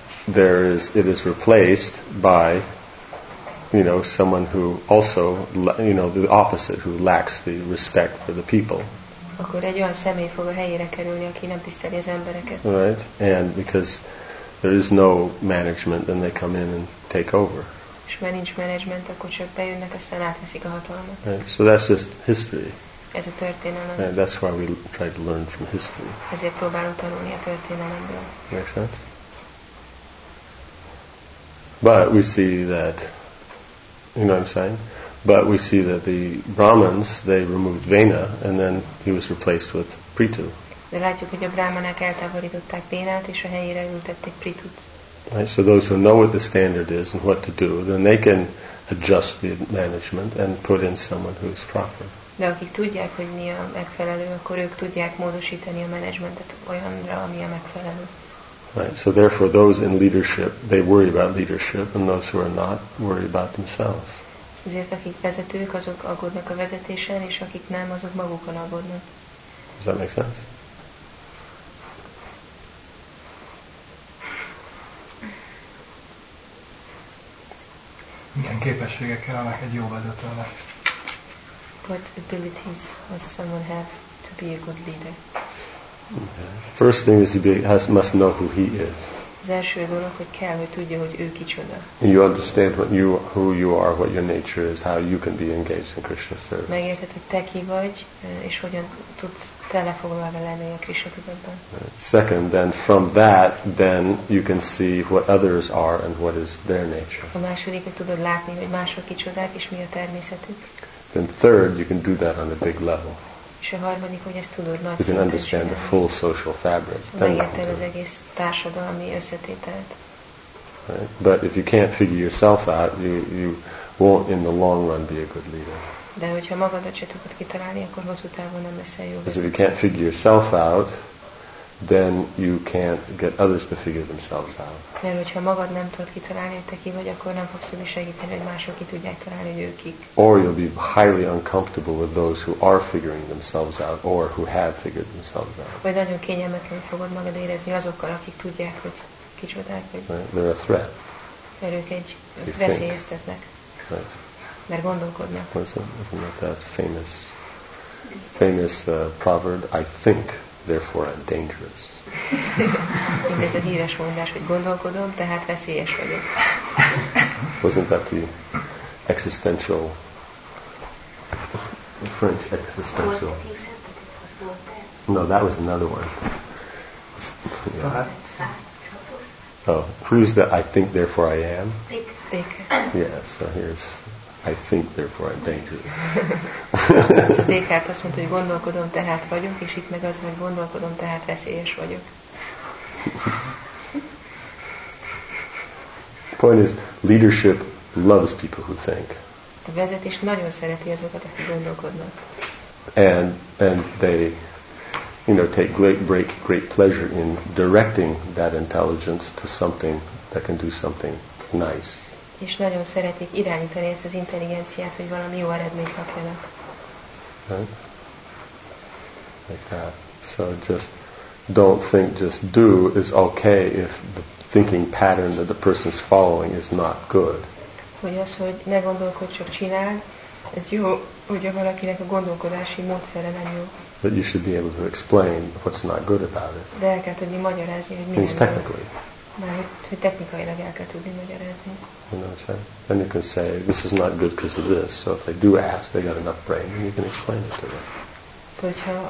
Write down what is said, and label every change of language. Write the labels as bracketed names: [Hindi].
[English] there is, it is replaced by, you know, someone who also, you know, the opposite, who lacks the respect for the people. [Hungarian] Akkor egy olyan személy fog a helyére kerülni, aki nem tiszteli az embereket. [English] Right, and because there is no management, then they come in and take over. [Hungarian] És mert nincs management, akkor csak bejönnek, aztán átveszik a hatalmat. [English] Right. So that's just history. [Hungarian] Ez a történelem. [English] And that's why we try to learn from history. [Hungarian] Ezért próbálunk tanulni a történelemből. [English] Makes sense? But we see that, you know what I'm saying? But we see that the Brahmins, they removed Vena, and then he was replaced with Prithu. [Hungarian] De látjuk, hogy a brahmanák eltávolították Vénát, és a helyére ültették Prithut. [English] Right, so those who know what the standard is and what to do, then they can adjust the management and put in someone who is proper. [Hungarian] De akik tudják, hogy mi a megfelelő, akkor ők tudják módosítani a menedzsmentet olyanra, ami a megfelelő. [English] Right, so therefore those in leadership, they worry about leadership, and those who are not worry about themselves. [Hungarian] Ezért akik vezetők, azok aggódnak a vezetésen, és akik nem, azok magukon aggódnak. [English] Does that make sense? [Hungarian] Milyen képességek kellenek egy jó vezetőnek? [English] What abilities does someone have to be a good leader? Okay. First thing is must know who he is. [Hungarian] Az első dolog, hogy kell, hogy tudja, hogy ő kicsoda. [English] You understand what you, who you are, what your nature is, how you can be engaged in Krishna service. [Hungarian] Megérted, hogy te ki vagy, és hogyan tudsz telefoglalva lenni a Krishna tudatban. [English] Second, then from that, then you can see what others are and what is their nature. [Hungarian] A második, hogy tudod látni, hogy mások kicsodák, és mi a természetük. [English] Then third, you can do that on a big level. [Hungarian] És a harmadik, hogy ezt tudod nagy. [English] You can understand the full social fabric. [Hungarian] Megérted az egész társadalmi összetételt. [English] Right. But if you can't figure yourself out, you won't in the long run be a good leader. [Hungarian] De hogyha magadat se tudod kitalálni, akkor hosszú távon nem leszel jó. [English] Because if you can't figure yourself out, then you can't get others to figure themselves out. [Hungarian] Mert hogyha magad nem tudod kitalálni, hogy te ki vagy, akkor nem fogsz tudni segíteni, hogy mások ki tudják találni, hogy ők kik. [English] Or you'll be highly uncomfortable with those who are figuring themselves out, or who have figured themselves out. [Hungarian] Vagy nagyon kényelmetlenül fogod magad érezni azokkal, akik tudják, hogy kicsodák, hogy... [English] Right? They're a threat. [Hungarian] Mert ők egy veszélyeztetnek. [English] Right. [Hungarian] Mert gondolkodnak. [English] Isn't that that famous proverb, I think, therefore I'm dangerous. [Hungarian] Ez a híres mondás, hogy gondolkodom, tehát veszélyes vagyok. [English] Wasn't that the existential, the French existential? No, that was another one. Yeah. Oh, who's the I think, therefore I am? Think. Yeah, so here's I think, therefore I'm dangerous. [Hungarian] Descartes azt mondta, hogy gondolkodom, tehát vagyok, és itt meg az, hogy gondolkodom, tehát veszélyes vagyok. [English] Point is, leadership loves people who think. [Hungarian] A vezetés nagyon szereti azokat, akik gondolkodnak. [English] And they, you know, take great pleasure in directing that intelligence to something that can do something nice. [Hungarian] És nagyon szeretik irányítani ezt az intelligenciát, hogy valami jó eredményt kapjanak. [English] Right? Like that. So just don't think, just do is okay if the thinking pattern that the person is following is not good. [Hungarian] Hogy az, hogy ne gondolkodj, csak csinál, ez jó, hogyha valakinek a gondolkodási módszere nem jó. [English] But you should be able to explain what's not good about it. [Hungarian] De el kell tudni magyarázni, hogy mi nem technically. Hogy technikailag el kell tudni magyarázni. [English] You know what I'm saying? Then you can say, this is not good because of this. So if they do ask, they got enough brain, and you can explain it to them.